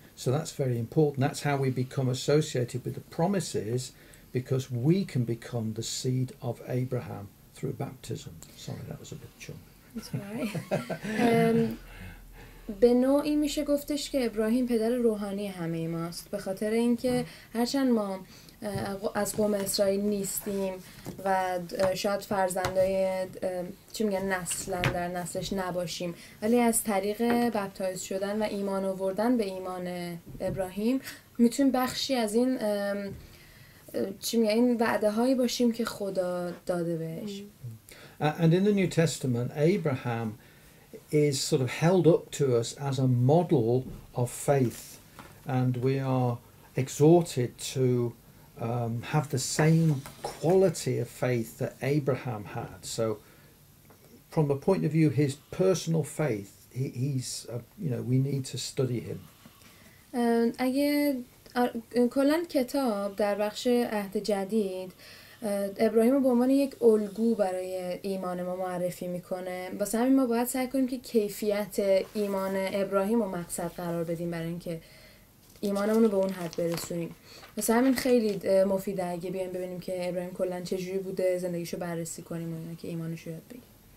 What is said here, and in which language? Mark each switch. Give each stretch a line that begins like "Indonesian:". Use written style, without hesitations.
English: So that's very important. That's how we become associated with the promises, because we can become the seed of Abraham through baptism. Sorry, that was a bit chunky. That's right.
Persian: به نوعی میشه گفتش که ابراهیم پدر روحانی همه ماست به خاطر اینکه هرچند ما از قوم اسرائیل نیستیم و شاید فرزندای چی میگن نسلن در نسلش نباشیم ولی از طریق بپتایز شدن و ایمان آوردن به ایمان ابراهیم میتونیم بخشی از این چی میگن این وعده هایی باشیم که خدا داده بهش
English: And in the New Testament, Abraham is sort of held up to us as a model of faith, and we are exhorted to have the same quality of faith that Abraham had. So from the point of view of his personal faith, he's you know, we need to study him.
Persian: اگه کلن کتاب در بخش عهد جدید ابراهیم رو به عنوان یک الگو برای ایمان ما معرفی میکنه واسه همین ما باید سعی کنیم که کیفیت ایمان ابراهیم رو مقصد قرار بدیم برای اینکه ایمانمون رو به اون حد برسونیم واسه همین خیلی مفیده اگه بیایم ببینیم که ابراهیم کلا چجوری بوده زندگیشو بررسی کنیم و اینا که ایمانش رو یاد بگیریم